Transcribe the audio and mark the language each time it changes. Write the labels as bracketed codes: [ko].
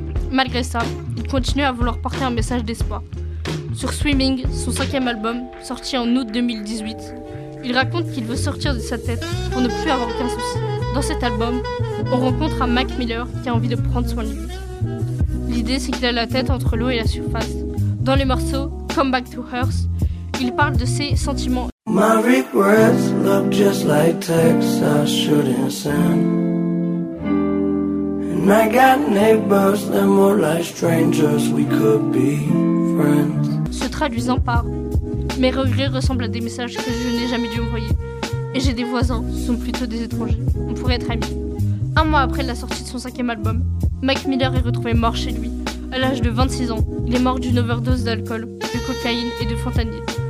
[fr] Malgré ça, il continue à vouloir porter un message d'espoir. Sur Swimming, son cinquième album, sorti en août 2018, il raconte qu'il veut sortir de sa tête pour ne plus avoir aucun souci. Dans cet album, on rencontre un Mac Miller qui a envie de prendre soin de lui. L'idée, c'est qu'il a la tête entre l'eau et la surface. Dans les morceaux Come Back to Earth, il parle de ses sentiments. [en] My regrets look just like texts I shouldn't send. And I got neighbors, they're more like strangers, we could be friends. [fr] Se traduisant par mes regrets ressemblent à des messages que je n'ai jamais dû envoyer. Et j'ai des voisins, ce sont plutôt des étrangers. On pourrait être amis. Un mois après la sortie de son cinquième album, Mac Miller est retrouvé mort chez lui. À l'âge de 26 ans, il est mort d'une overdose d'alcool, de cocaïne et de fentanyl.